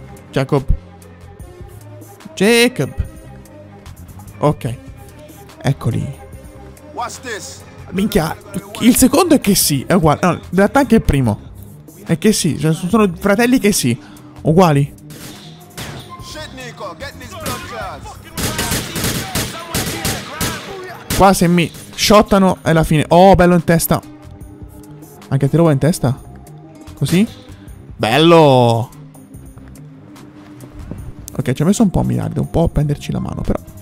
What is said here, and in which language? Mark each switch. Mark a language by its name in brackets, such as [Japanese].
[English] Jacob. Jacob. Ok. [Italian] Eccoli. [English] What's this? [Italian] Minchia, il secondo è che sì, è uguale. No, in realtà anche il primo. È che sì, sono fratelli che sì. Uguali. [English] Shit, Nico, get these blood shots. [Italian] Qua se mi shottano è la fine. Oh, bello in testa. Anche te lo vuoi in testa? Così? Bello. Ok, ci ha messo un po' a mirare. Un po' a prenderci la mano, però.